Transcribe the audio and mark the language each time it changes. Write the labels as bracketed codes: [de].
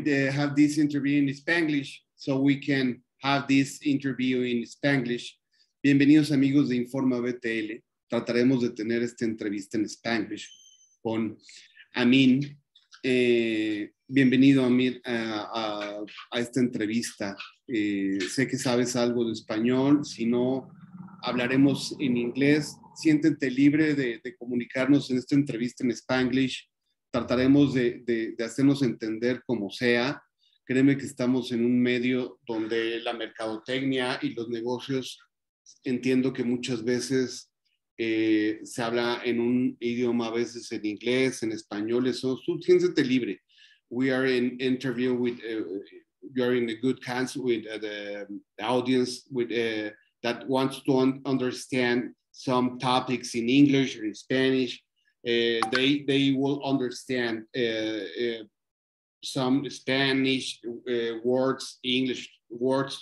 [en] have this interview in Spanglish, so we can have this interview in Spanglish. [es] Bienvenidos amigos de Informa BTL. Trataremos de tener esta entrevista en Spanglish con Amin. Bienvenido Amir a esta entrevista. Sé que sabes algo de español, si no, hablaremos en inglés. Siéntete libre de comunicarnos en esta entrevista en Spanglish. Trataremos de hacernos entender como sea. Créeme que estamos en un medio donde la mercadotecnia y los negocios, entiendo que muchas veces se habla en un idioma, a veces en inglés, en español, eso, siéntete libre. [en] We are in interview with, we are in a good chance with the audience with that wants to understand some topics in English or in Spanish. They will understand some Spanish words, English words.